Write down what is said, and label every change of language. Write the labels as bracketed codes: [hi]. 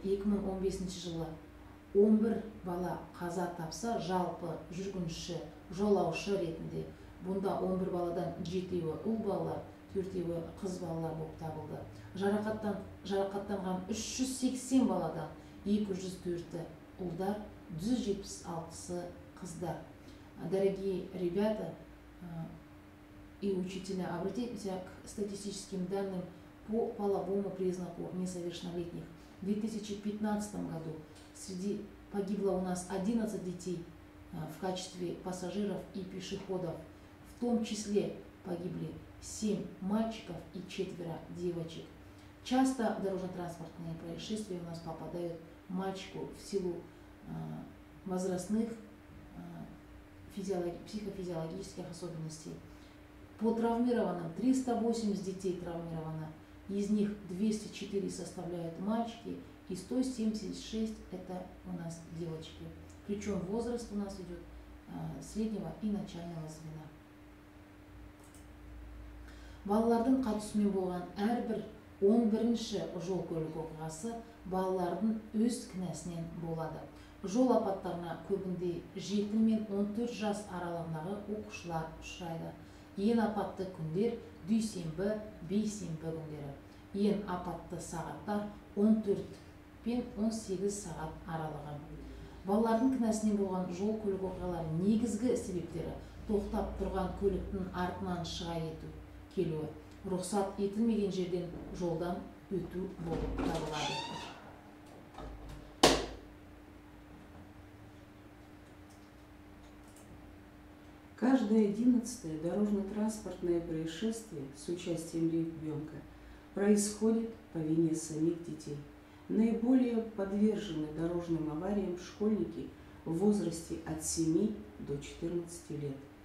[kk] 2015 жылы 11 бала қаза тапса, жалпы жүргінші жолаушы ретінде бұнда 11 баладан 7-еуі ұл балалар, 4-еуі қыз балалар болып табылды. Жарақаттанған 380 баладан 204-і ұлдар, 176-ы қыздар. [ru] Дорогие ребята и учителя, обратимся к статистическим данным по половому признаку несовершеннолетних. В 2015 году среди погибло у нас 11 детей в качестве пассажиров и пешеходов. В том числе погибли 7 мальчиков и 4 девочек. Часто дорожно-транспортные происшествия у нас попадают мальчику в силу возрастных психофизиологических особенностей. По травмированным 380 детей травмировано, из них 204 составляют мальчики и 176 это у нас девочки. Причем возраст у нас идет среднего и начального звена. [kk] Балалардың қатысуымен болған әрбір 11-ші жол көлік оқиғасы балалардың өз кінәсінен болады. Жол апаттарына көбінде 7 мен 14 жас аралығындағы оқушылар ұшырайды. Ең апатты күндер дүйсенбі, бейсенбі күндері. ең апатты сағаттар 14 пен 18 сағат аралығы. Балалардың кінәсіне болған жол көлік оқиғалары негізгі себептері тоқтап тұрған көліктің артынан шыға ету, келуі, рұқсат етілмеген жерден жолдан өту болып табылады. [ru] Каждое 11-е дорожно-транспортное происшествие с участием ребенка происходит по вине самих детей. Наиболее подвержены дорожным авариям школьники в возрасте от 7 до 14 лет.